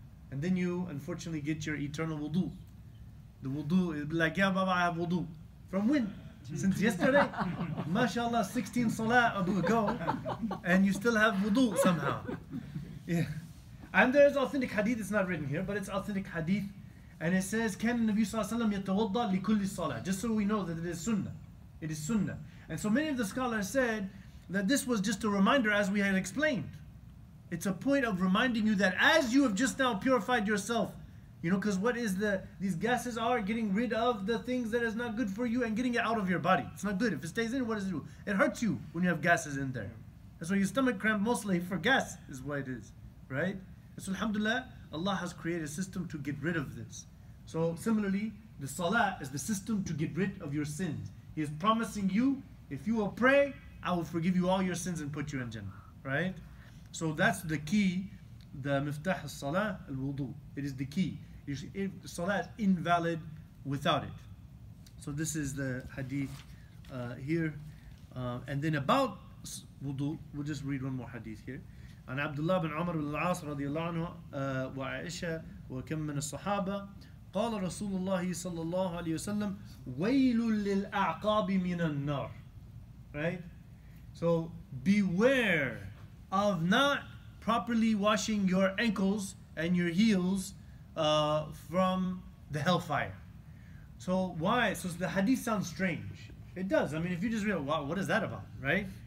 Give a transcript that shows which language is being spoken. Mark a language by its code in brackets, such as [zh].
[en] And then you unfortunately get your eternal wudu. The wudu is like, yeah, Baba, I have wudu. From when? Since yesterday? MashaAllah, 16 salah ago, and you still have wudu somehow. Yeah. And there is authentic hadith, it's not written here, but it's authentic hadith. And it says, [ar] كَانَ النَّبِيُّ صَلَّى اللَّهُ عَلَيْهِ وَسَلَّمَ يَتَوَضَّى لِكُلِّ الصَّلَاةِ. [en] Just so we know that it is sunnah. It is sunnah. And so many of the scholars said that this was just a reminder, as we had explained. It's a point of reminding you that as you have just now purified yourself, you know, because what is the, these gases are getting rid of the things that is not good for you and getting it out of your body. It's not good. If it stays in, what does it do? It hurts you when you have gases in there. That's why your stomach cramp mostly for gas is what it is, right? And so alhamdulillah, Allah has created a system to get rid of this. So similarly, the salah is the system to get rid of your sins. He is promising you, if you will pray, I will forgive you all your sins and put you in Jannah, right? So that's the key, the miftah al-salah al-wudu. It is the key. You see, if the salah is invalid without it. So this is the hadith here. And then about wudu, we'll just read one more hadith here. [ar] عن عبد الله بن عمر بن العاص رضي الله عنه وعائشة وكم من الصحابة قال رسول الله صلى الله عليه وسلم ويل للأعقاب من النار. [en] Right? So beware of not properly washing your ankles and your heels from the hellfire. So why? So the hadith sounds strange. It does. I mean, if you just read it, wow, what is that about? Right?